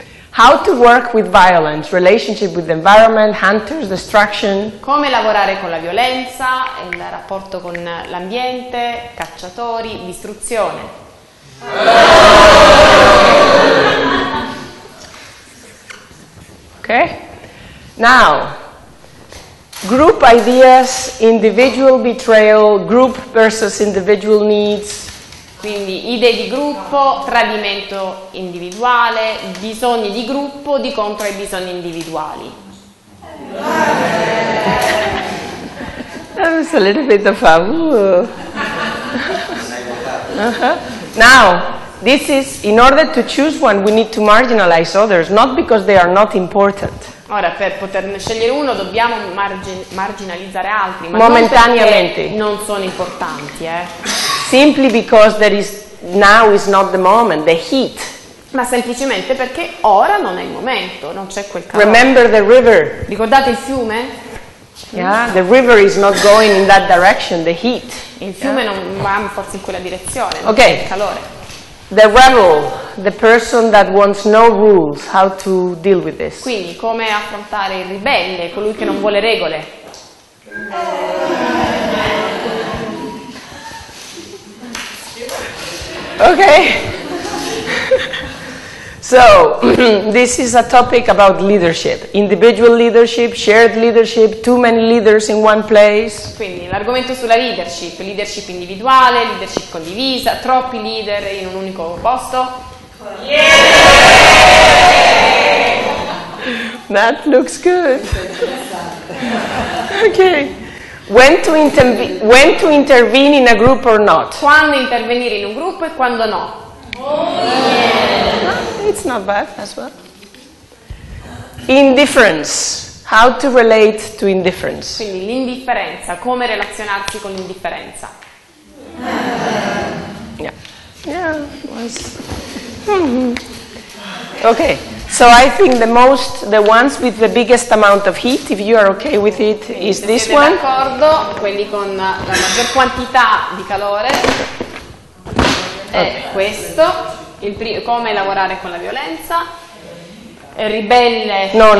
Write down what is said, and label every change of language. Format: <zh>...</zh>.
<en>How to work with violence, relationship with the environment, hunters, destruction.</en> <it>Come lavorare con la violenza, il rapporto con l'ambiente, cacciatori, distruzione.</it> <en>Okay. Now, group ideas, individual betrayal, group versus individual needs.</en> <it>Quindi idee di gruppo, tradimento individuale, bisogni di gruppo di contro ai bisogni individuali.</it> <en>That was a little bit of a Now, this is in order to choose one, we need to marginalize others, not because they are not important.</en> <it>Ora, per poterne scegliere uno dobbiamo marginalizzare altri, ma momentaneamente non sono importanti,</it> <en>Simply because there is now is not the moment, the heat.</en> <it>Ma semplicemente perché ora non è il momento, non c'è quel calore.</it> <en>Remember the river.</en> <it>Ricordate il fiume?</it> <en>Yeah, the river is not going in that direction, the heat.</en> <it>Il fiume non va forse in quella direzione, non</it> <en>okay.</en> <it>C'è il calore.</it> <en>The rebel, the person that wants no rules, how to deal with this?</en> <it>Quindi, come affrontare il ribelle, colui che non vuole regole?</it> <en>Okay. So, this is a topic about leadership. Individual leadership, shared leadership, too many leaders in one place.</en> <it>Quindi l'argomento sulla leadership, leadership individuale, leadership condivisa, troppi leader in un unico posto.</it> <en>Yeah! That looks good. Okay. When to intervene in a group or not?</en> <it>Quando intervenire in un gruppo e quando no? Oh, yeah.</it> <en>it's not bad as well. Indifference. How to relate to indifference.</en> <it>Quindi l'indifferenza, come relazionarsi con l'indifferenza.</it> <en>Yeah, okay, so I think the most, the ones with the biggest amount of heat, if you are okay with it,</en> <it>quindi,</it> <en>is this one.</en> <it>D'accordo, quelli con la maggior quantità di calore è questo, il come lavorare con la violenza, ribelle.</it>